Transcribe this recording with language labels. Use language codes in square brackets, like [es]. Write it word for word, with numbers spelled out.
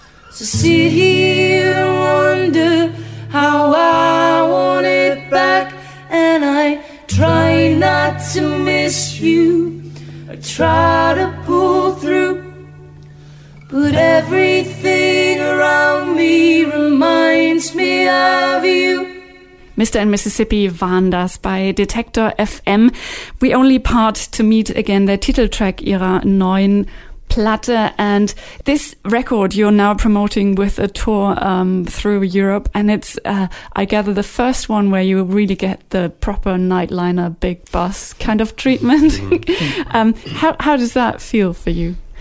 [en] So sit here and wonder how I want it back. And I try not to miss you. I try to pull through. But everything around me reminds me of you. [de] Mister and Mississippi waren das bei Detektor F M. We Only Part to Meet Again, der Titeltrack ihrer neuen Platte, [en] and this record you're now promoting with a tour um, through Europe, and it's, uh, I gather, the first one where you really get the proper nightliner, big bus kind of treatment. um, how how does that feel for you?